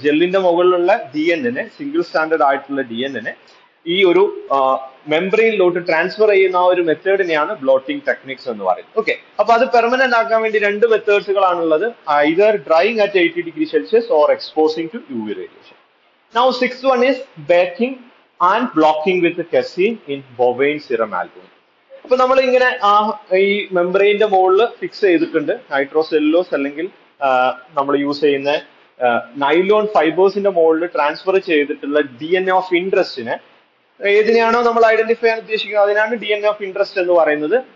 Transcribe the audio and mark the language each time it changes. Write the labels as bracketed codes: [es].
[ml] ജെല്ലിന്റെ മുകളിലുള്ള D N A single standard ആയിട്ടുള്ള D N A ഈ ഒരു മെംബ്രെയിനിലോട്ട് ട്രാൻസ്ഫർ ചെയ്യുന്ന ആ ഒരു മെത്തേഡിനെയാണ് ബ്ലോട്ടിംഗ് ടെക്നിക്സ് എന്ന് പറയുന്നത്. ഓക്കെ, അപ്പൊ അത് പെർമനന്റ് ആക്കാൻ വേണ്ടി രണ്ട് മെത്തേഡ്സുകളാണുള്ളത്, [en] Either drying at 80 degree Celsius or exposing to U V radiation. Now, sixth one is baking and blocking with the casein in bovine serum albumin. [ml] ഇപ്പൊ നമ്മൾ ഇങ്ങനെ ആ ഈ മെംബ്രെയിന്റെ മുകളിൽ ഫിക്സ് ചെയ്തിട്ടുണ്ട് നൈട്രോ സെല്ലുലോസ് അല്ലെങ്കിൽ നമ്മൾ യൂസ് ചെയ്യുന്ന നൈലോൺ ഫൈബേഴ്സിന്റെ മുകളിൽ ട്രാൻസ്ഫർ ചെയ്തിട്ടുള്ള ഡി എൻ എ ഓഫ് ഇൻട്രസ്റ്റിനെ, ഏതിനെയാണോ നമ്മൾ ഐഡന്റിഫൈ ചെയ്യാൻ ഉദ്ദേശിക്കുന്നത് അതിനാണ് D N A of interest എന്ന് പറയുന്നത്.